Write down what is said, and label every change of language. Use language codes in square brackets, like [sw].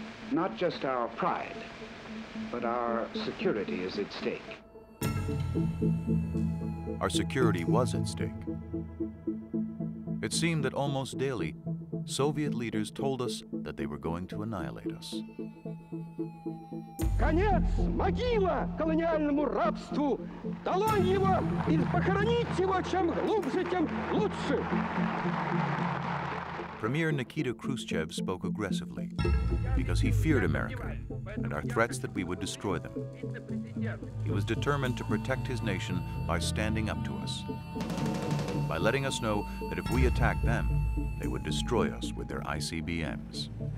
[en] Not just our pride, but our security is at stake. Our security was at stake. It seemed that almost daily, Soviet leaders told us that they were going to annihilate us. [ru] Конец, могила колониальному рабству. Долой его и похоронить его чем глубже, тем лучше. [en] Premier Nikita Khrushchev spoke aggressively because he feared America and our threats that we would destroy them. He was determined to protect his nation by standing up to us, by letting us know that if we attacked them, they would destroy us with their ICBMs.